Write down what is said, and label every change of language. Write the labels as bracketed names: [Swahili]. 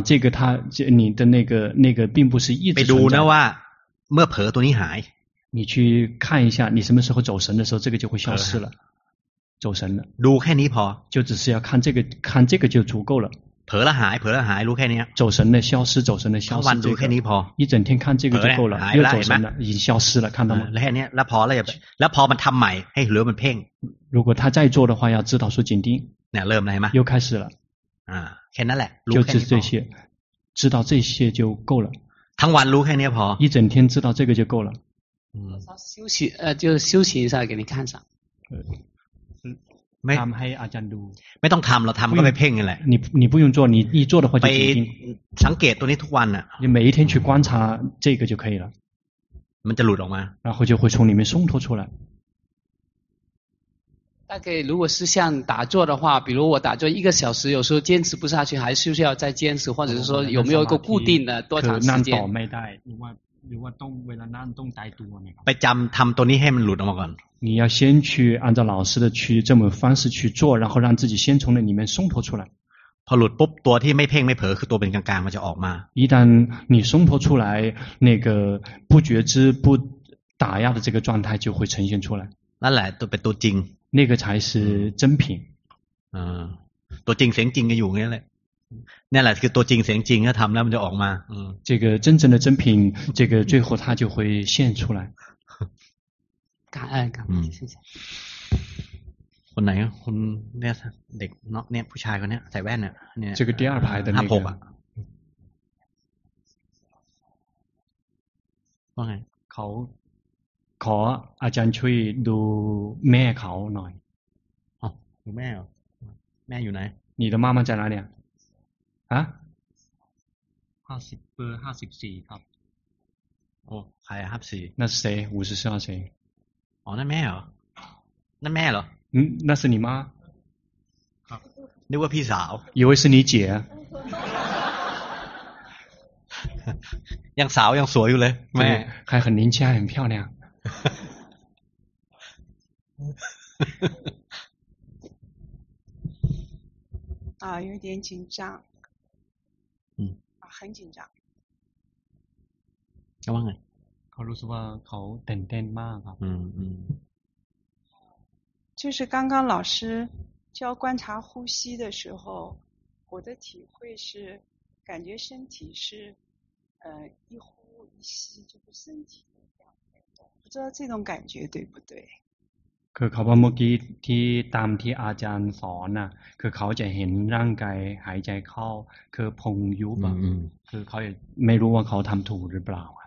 [Chinese] 这个它，你的那个并不是一直。 [Thai] ไปดูนะว่าเมื่อเผลอตัวนี้หาย。 [Chinese] 你去看一下，你什么时候走神的时候，这个就会消失了。走神了。 [Thai] ดูแค่นี้พอ。 [Chinese] 就只是要看这个，看这个就足够了。 [Thai] เผลอแล้วหายเผลอแล้วหายรู้แค่นี้ [Chinese] 走神了消失走神了消失 [Thai] ทั้งวันดูแค่นี้พอ [Chinese] 一整天看这个就够了又走神了已经消失了看到吗 [Thai] แค่นี้แล้วพอแล้วแล้วพอมันทำใหม่ให้เหลือมันเพ่ง [Chinese] 如果他再做的话要知道说紧盯 [Thai] เนี่ยเริ่มอะไรมา [Chinese] 又开始 [Thai] 了แค่นั้นแหละ [Chinese] 就知这些知道这些就够了 [Thai] ทั้งวันรู้แค่นี้พอ [Chinese] 一整天知道这个就够了休息就休息一下给你看上 [Thai] ทำให้อาจารย์ดู ไม่ต้องทำเราทำก็ไปเพ่งนี่แหละ [Chinese] 你不用做你一做的话就 [Thai] ไปสังเกตตัวนี้ทุกวันอ่ะ [Chinese] 你每一天去观察这个就可以了 [Thai] มันจะหลุดออกมา [Chinese] 然后就会从里面松脱出来大概如果是像打坐的话比如我打坐一个小时有时候坚持不下去还是需要再坚持或者是说有没有一个固定的多长时间可能倒没带如果 [Thai] ต้องเวลานั่งต้องใจตัว ไปจำทำตัวนี้ให้มันหลุดออกมาก่อน [Chinese] 你要先去按照老师的去这么方式去做然后让自己先从那里面松脱出来 [Thai] พอหลุดปุ๊บตัวที่ไม่เพ่งไม่เผลอคือตัวเป็นกลางๆมันจะออกมา [Chinese] 一旦你松脱出来那个不觉知不打压的这个状态就会呈现出来 [Thai] นั่นแหละตัวเป็นตัวจริง [Chinese] 那个才是真品 [Thai] ตัวจริงเสียงจริงก็อยู่งี้แหละนั่นแหละคือตัวจริงเสียงจริงถ้าทำแล้วมันจะออกมา [Chinese] 这个真正的真品这个最后它就会现出来感恩感恩谢谢 [Thai] คนไหนคนเนี่ยเด็กเนาะเนี่ยผู้ชายคนเนี้ยใส่แว่นเนี่ยเนี่ย [Chinese] 这个第二排的那个 [Thai] ห้าหกอ่ะว่าไง เขาขออาจารย์ช่วยดูแม่เขาหน่อย อ๋อดูแม่หรอแม่อยู่ไหน [Chinese] 你的妈妈在哪里啊啊 [Thai] 50เบอร์54ครับ โอ้ใคร54 นั่นเซ54เซ อ๋อนั่นแม่เหรอนั่นแม่เหร ออืมนั่นคือ [Chinese] 你妈 [Thai] ครับ นึกว่าพี่สาว [Chinese] 以为是你姐 [Thai] ยังสาวยังสวยอยู่เลยแม่ [Chinese] 还很年轻很漂亮啊有点紧张很紧张干嘛呢他 [Thai] ารู้สึกว่าเขาตื่นเต้นมากครับ อืม [Chinese] ๆ就是刚刚老师教观察呼吸的时候我的体会是感觉身体是一呼一吸就是身体的样子不知道这种感觉对不对 [Thai] คือเขาว่าเมื่อกี้ที่ตามที่อาจารย์สอนน่ะคือเขาจะเห็นร่างกายหายใจเข้าคือพองยุบอ่ะคือเขาไม่รู้ว่าเขาทำถูกหรือเปล่า